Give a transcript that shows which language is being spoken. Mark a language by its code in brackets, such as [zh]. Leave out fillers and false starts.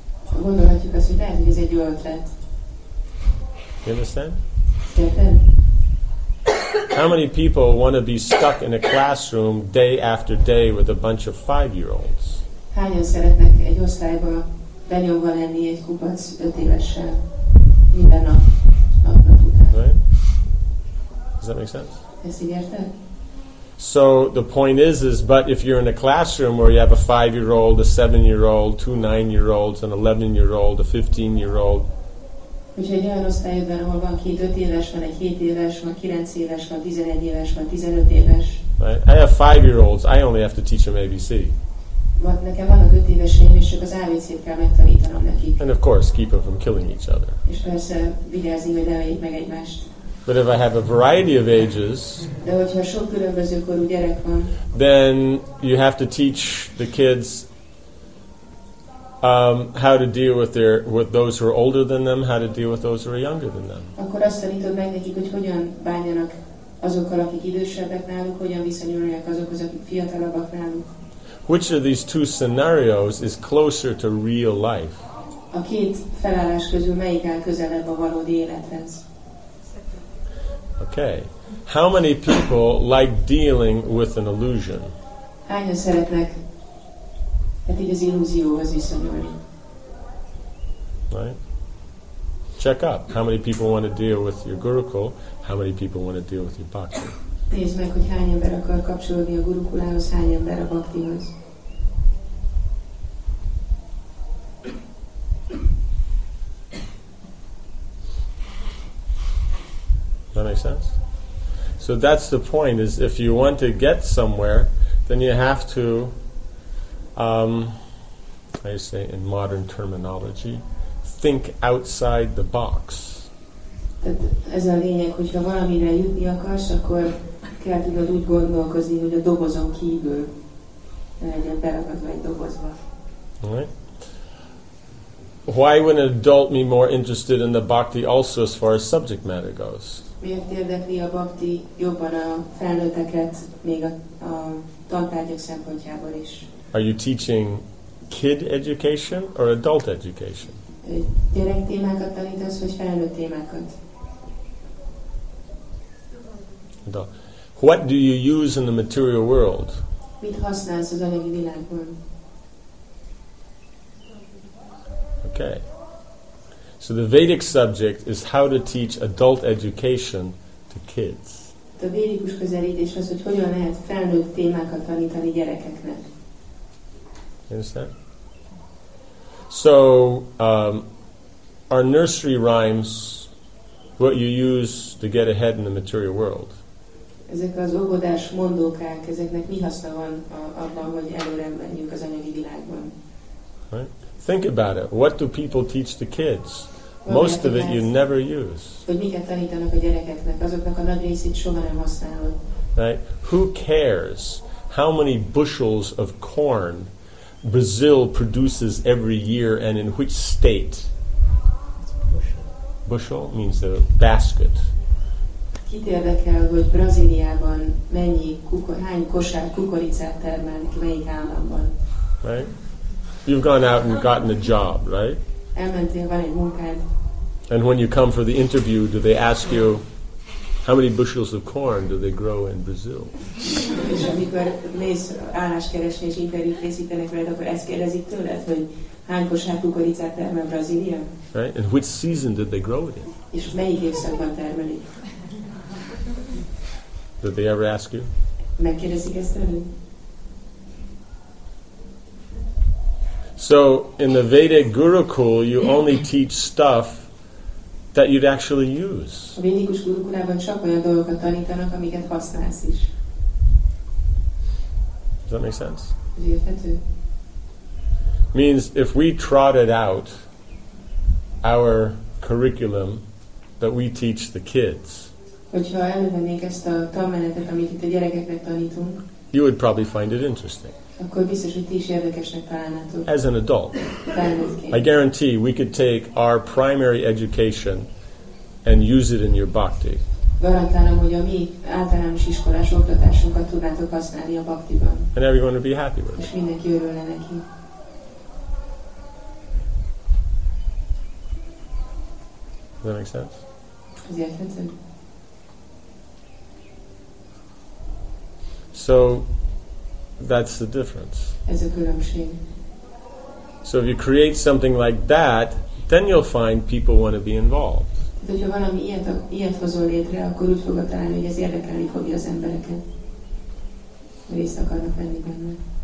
[hu] Gondolhatjuk azt, hogy lehet, hogy ez egy jó ötlet. [en] You understand? [hu] Érted? [en] How many people want to be stuck in a classroom day after day with a bunch of five-year-olds? [hu] Hányan szeretnek egy osztályba benyomva lenni egy kupac öt évessel? [en] Right? Does that make sense? So the point is, but if you're in a classroom where you have a 5-year-old, a 7-year-old, 2 9-year-olds, an 11-year-old, a 15-year-old. Right? I have 5-year-olds, I only have to teach them ABC. [hu] nekem vannak 5 éves fiam, és csak az ABC-t kell megtanítanom nekik. [en] And of course, keep them from killing each other. [hu] És persze vigyázni, hogy leöljék meg egymást. [en] But if I have a variety of ages, [hu] de hogyha sok különböző korú gyerek van, [en] then you have to teach the kids how to deal with their with those who are older than them, how to deal with those who are younger than them. [hu] Akkor azt tanítod meg nekik, hogy hogyan bánjanak azokkal, akik idősebbek náluk, hogyan viszonyuljanak azokhoz, akik fiatalabbak náluk. [en] Which of these two scenarios is closer to real life? [hu] A két felállás közül melyik áll közelebb a valódi élethez? [en] Okay. How many people like dealing with an illusion? [hu] Hányan szeretnek, hát így az illúzióhoz viszonyulni? [en] Right? Check up. How many people want to deal with your gurukul? How many people want to deal with your bhakti? [hu] Nézd meg, hogy hány ember akar kapcsolódni a gurukulához, hány ember a bhaktihoz. [en] That makes sense. So that's the point: is if you want to get somewhere, then you have to, how you say in modern terminology, think outside the box. [hu] Ez a lényeg, hogyha valamire jutni akarsz, akkor kell tudod úgy gondolkozni, hogy a dobozon kívül legyen beragadva egy dobozba. [en] Right. Why would an adult be more interested in the bhakti also as far as subject matter goes? [hu] Miért érdekli a bhakti jobban a felnőtteket még a tantárgyak szempontjából is? [en] Are you teaching kid education or adult education? [hu] Gyerek témákat tanítasz, vagy felnőtt témákat? [en] What do you use in the material world? [hu] Mit használsz az anyagi világban? [en] Okay. So the Vedic subject is how to teach adult education to kids. [hu] A védikus közelítés az, hogy hogyan lehet felnőtt témákat tanítani gyerekeknek. [en] Understand? So our nursery rhymes, what you use to get ahead in the material world. [hu] Ezek az óvodás mondókák, ezeknek mi haszna van abban, hogy előre menjünk az anyagi világban? [en] Right. Think about it. What do people teach the kids? Most of it you never use. [hu] Hogy miket tanítanak a gyerekeknek? Azoknak a nagy részét soha nem használod. [en] Right? Who cares how many bushels of corn Brazil produces every year and in which state? Bushel means the basket. [hu] Kit érdekel, hogy Brazíliában mennyi hány kosár kukoricát termelnek, melyik államban? [en] Right? You've gone out and gotten a job, right? [hu] Elmentél, van egy munkád. [en] And when you come for the interview, do they ask you, how many bushels of corn do they grow in Brazil? [hu] És amikor mész álláskeresni és interjút készítenek veled, akkor ezt kérdezik tőled, hogy hány kosár kukoricát termel Brazília? [en] Right? And which season did they grow it in? [hu] És melyik évszakban termelik? [en] Did they ever ask you? [hu] Megkérdezik ezt tőled? [en] So in the Vedic Gurukul, you only teach stuff that you'd actually use. [hu] A védikus gurukulában csak olyan dolgokat tanítanak, amiket használsz is. [en] Does that make sense? Means if we trotted out our curriculum that we teach the kids, [hu] hogyha elővennék ezt a tanmenetet, amit itt a gyerekeknek tanítunk, [en] you would probably find it interesting. [hu] Akkor biztos, hogy ti is érdekesnek találnátok. [en] As an adult. [hu] Felnőttként. [en] I guarantee we could take our primary education and use it in your bhakti. [hu] Garantálom, hogy a mi általános iskolás oktatásunkat tudnátok használni a bhaktiban. [en] And everyone would be happy with it. [hu] És mindenki örülne neki. [en] Does that make sense? [hu] Ez érthető. [en] So that's the difference. [hu] Ez a különbség. [en] So if you create something like that, then you'll find people want to be involved. [hu] De ha valami ilyet hozol létre, akkor úgy fogod találni, hogy ez érdekelni fogja az embereket. Részt akarnak venni benne.